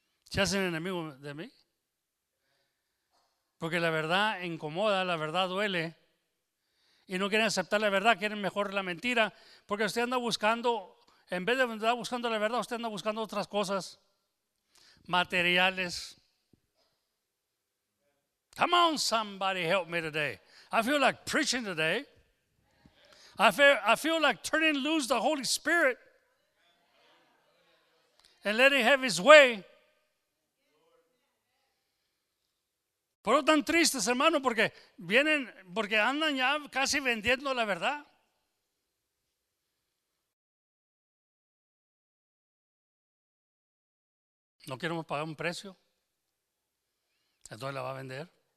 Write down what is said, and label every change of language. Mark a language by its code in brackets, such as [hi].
[es] Se hacen enemigos de mí. Porque la verdad incomoda, la verdad duele. Y no quieren aceptar la verdad, quieren mejor la mentira. Porque usted anda buscando, en vez de andar buscando la verdad, usted anda buscando otras cosas. Materiales. [en] Come on, somebody help me today. I feel like preaching today. I feel like turning loose the Holy Spirit and letting him have his way. [es] Por eso tan tristes, hermano, porque vienen, porque andan ya casi vendiendo la verdad. No queremos pagar un precio. Entonces la va a vender.